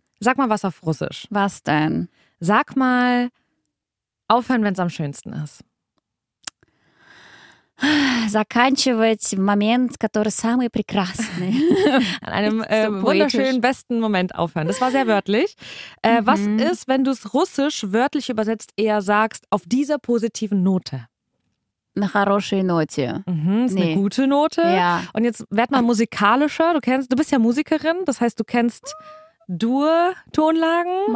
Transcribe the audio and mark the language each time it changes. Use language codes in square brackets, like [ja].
[de] Sag mal was auf Russisch. Was denn? Sag mal, aufhören, wenn es am schönsten ist. [ru] Заканчивать момент, который самый прекрасный. [de] An einem wunderschönen, besten Moment aufhören. Das war sehr wörtlich. Was ist, wenn du es russisch wörtlich übersetzt eher sagst, auf dieser positiven Note? Eine [ru] хорошей [de] Note. Eine gute Note. Ja. Und jetzt werd mal musikalischer. Du bist ja Musikerin, das heißt, du kennst Dur-Tonlagen.